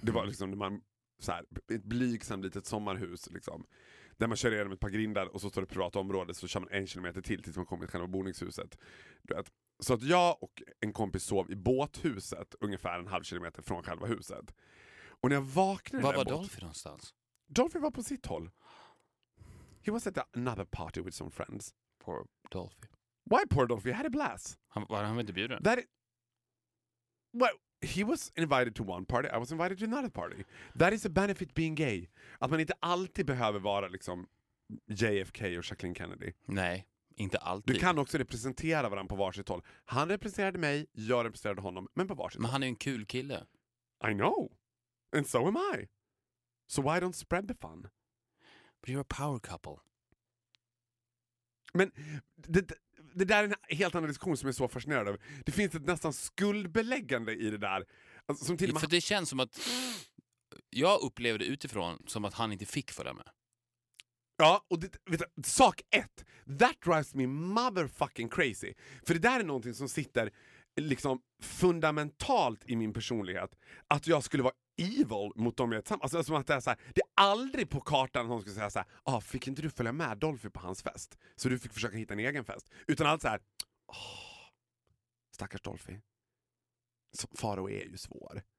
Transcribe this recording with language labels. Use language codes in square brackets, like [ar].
[sv] Det var liksom man, så här, ett blygsamt litet sommarhus liksom. Där man kör igenom ett par grindar och så står det privat område. Så kör man 1 kilometer tills man kommer till själva boningshuset. Du vet. Så att jag och en kompis sov i båthuset ungefär 1,5 kilometer från själva huset. Och när jag vaknade... Vad var Dolphy någonstans? Dolphy var på sitt håll. [en] He was at another party with some friends. Poor Dolphy. Why poor Dolphy? I had a blast. [sv] Var han inte bjuden? [en] Well, he was invited to one party. I was invited to another party. That is a benefit being gay. [sv] Att man inte alltid behöver vara liksom JFK och Jacqueline Kennedy. Nej, inte alltid. Du kan också representera varandra på varsitt håll. Han representerade mig, jag representerade honom, men på varsitt håll. Men han är en kul kille. [en] I know. And so am I. So why don't spread the fun? But you're a power couple. [sv] Men det där är en helt annan diskussion som jag är så fascinerad av. Det finns ett nästan skuldbeläggande i det där. Alltså, som till ja, för det känns som att jag upplevde utifrån som att han inte fick följa med. Ja, och det, vet du, sak ett. [en] That drives me motherfucking crazy. [sv] För det där är någonting som sitter liksom fundamentalt i min personlighet. Att jag skulle vara evil mot dem jag är tillsammans. Alltså, som att det är så här, det är aldrig på kartan att hon skulle säga så här, ah, fick inte du följa med Dolphy på hans fest? Så du fick försöka hitta en egen fest. Utan allt så här, stackars Dolphy. Faro är ju svår.